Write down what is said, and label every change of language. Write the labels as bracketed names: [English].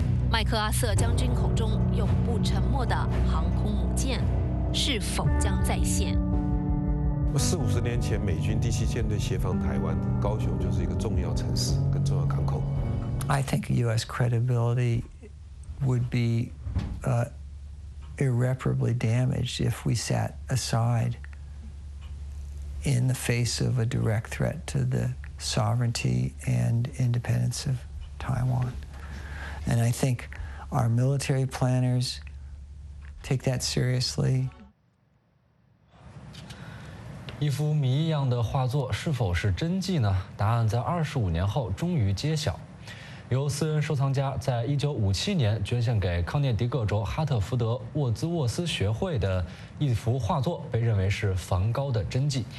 [Chinese] 麦克阿瑟将军口中永不沉默的航空母舰。是否将再现？ 40-50年前，美军第七舰队协防台湾，高雄就是一个重要城市跟重要港口。 [English] I think U.S. credibility would be irreparably damaged if we sat aside in the face of a direct threat to the sovereignty and independence of Taiwan. And I think our military planners take that seriously. [Chinese] 一幅谜一样的画作是否是真迹呢？答案在25年后终于揭晓。由私人收藏家在1957年捐献给康涅狄格州哈特福德沃兹沃斯学会的一幅画作，被认为是梵高的真迹。